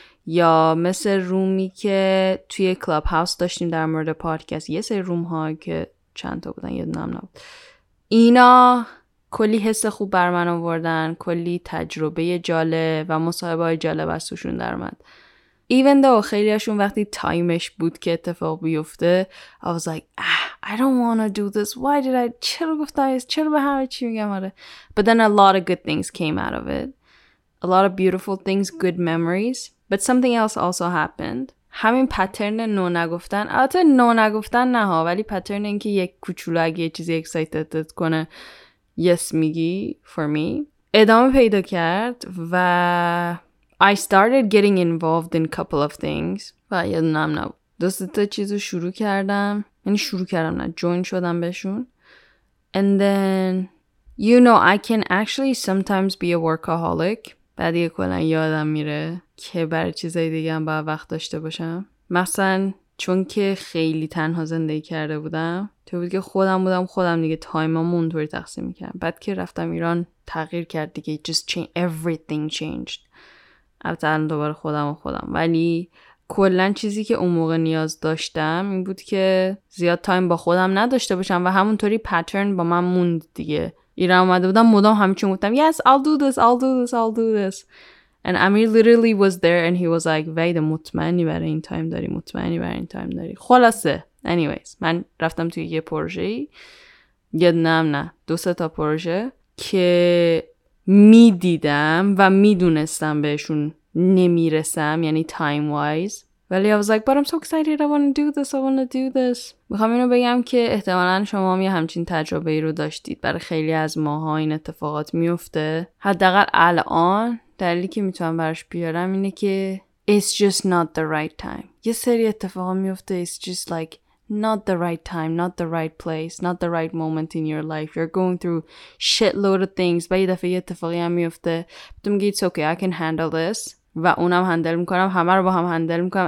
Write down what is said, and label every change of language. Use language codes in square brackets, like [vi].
[fa] یا مثل رومی که توی کلاب هاوس داشتیم در مورد پادکست، یه سری روم ها که چند تا بودن یه دونه هم نبود، اینا کلی حس خوب بر من آوردن، کلی تجربه جالب و مصاحبه های جالب از توشون در اومد. ایون دو خیلی هاشون وقتی تایمش بود که اتفاق بیفته [en] I was like I don't wanna do this, why did I, [fa] چرا گفتم هست، چرا به همه چی میگم آره. [en] But then a lot of good things came out of it. A lot of beautiful things, good memories. But something else also happened. [fa] همین پترن نو نگفتن، البته نو نگفتن نه ها، ولی پترن این که یک کوچولو اگه یه چیزی اکسایتدت کنه yes میگی [en] for me، [fa] ادامه پیدا کرد و [en] I started getting involved in a couple of things. [fa] و یادم نبود دو سه تا چیزو شروع کردم، یعنی شروع کردم نه جوین شدم بهشون. [en] And then you know I can actually sometimes be a workaholic. [fa] بعد یه کلن یادم میره که برای چیزای دیگه هم باید وقت داشته باشم. مثلا چون که خیلی تنها زندگی کرده بودم، تو بود که خودم بودم، خودم دیگه تایمم اونطوری تقسیم میکردم. بعد که رفتم ایران تغییر کرد دیگه، [en] just change, everything changed. [fa] البته الان دوباره خودم و خودم، ولی کلن چیزی که اون موقع نیاز داشتم این بود که زیاد تایم با خودم نداشته باشم و همونطوری پترن با من موند دیگه. ایران اومده بودم مدام همچون گفتم [en] yes I'll do this, I'll do this, I'll do this. And Amir literally was there and he was like [fa] وید مطمئنی برای این تایم داری، مطمئنی برای این تایم داری. خلاصه anyways من رفتم توی یه پروژه، یه نم نه دو سه تا پروژه که می دیدم و می دونستم بهشون نمی رسم، یعنی تایم وایز، ولی [en] I was like but I'm so excited, I wanna do this, [fa] I wanna do this. میخوام اینو بگم که احتمالا شما هم یه همچین تجربه ای رو داشتید. برای خیلی از ماها این اتفاقات میفته. حداقل الان دلیلی که میتونم براش بیارم اینه که [en] it's just not the right time. [fa] یه سری اتفاقا میفته [en] it's just like not the right time, not the right place, not the right moment in your life. You're going through shitload of things. [fa] بعد یه دفعه یه اتفاقی هم میفته تو میگی [en] it's okay, I can handle this. [fa] و اونم هندل میکنم، همه رو با هم هندل میکنم.